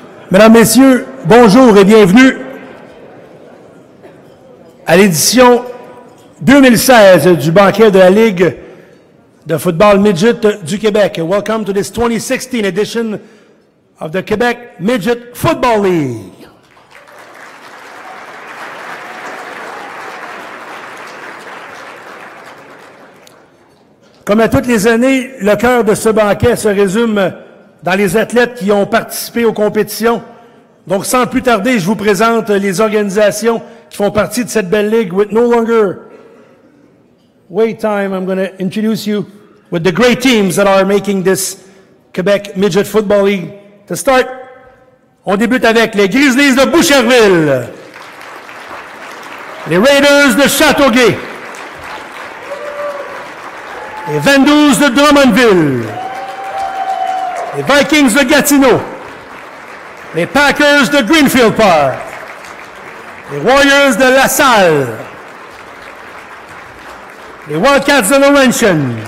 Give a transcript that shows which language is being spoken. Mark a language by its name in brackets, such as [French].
[French] Mesdames, messieurs, bonjour et bienvenue à l'édition 2016 du banquet de la Ligue de football midget du Québec. [English] Welcome to this 2016 edition of the Quebec Midget Football League. [French] Comme à toutes les années, le cœur de ce banquet se résume dans les athlètes qui ont participé aux compétitions. Donc, sans plus tarder, je vous présente les organisations qui font partie de cette belle ligue. [English] With no longer wait time, I'm going to introduce you with the great teams that are making this Quebec Midget Football League. To start, [French] on débute avec les Grizzlies de Boucherville. les Raiders de Châteauguay, les 22 de Drummondville, les Vikings de Gatineau, les Packers de Greenfield Park, les Warriors de La Salle, les Wildcats de Laurentian,